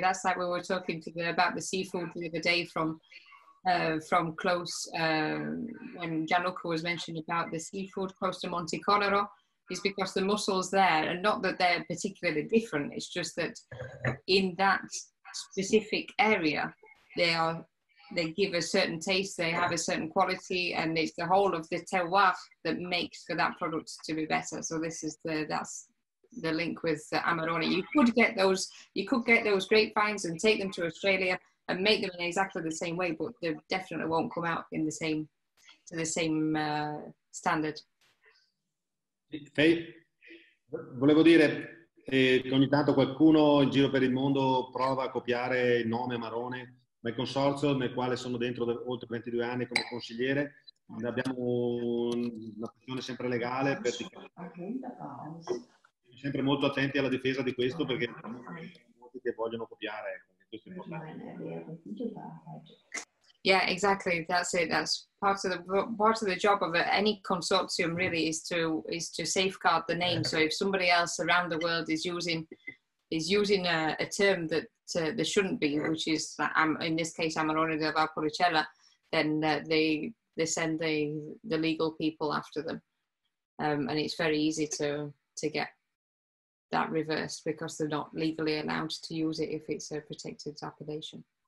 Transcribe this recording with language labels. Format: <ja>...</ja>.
<en>That's like we were talking to about the seafood the other day from close, when Gianluca was mentioned about the seafood close to Monte Conero, is because the mussels there, and not that they're particularly different, it's just that in that specific area, they give a certain taste, they have a certain quality, and it's the whole of the terroir that makes for that product to be better. So this is that's the link with the Amarone. You could get those grapevines and take them to Australia and make them in exactly the same way, but they definitely won't come out to the same standard. Hey.</en> <it>Volevo dire, ogni tanto qualcuno in giro per il mondo prova a copiare il nome Marone, ma il consorzio nel quale sono dentro oltre 22 anni come consigliere, abbiamo una questione sempre legale, per sempre molto attenti alla difesa di questo, perché molti che vogliono copiare, questo è importante.</it> <en>Yeah, exactly. That's it. That's part of the job of any consortium, really, is to safeguard the name. So if somebody else around the world is using a term that there shouldn't be, which is in this case Amarone della Valpolicella, then they send the legal people after them, and it's very easy to get that reversed because they're not legally allowed to use it if it's a protected appellation.</en>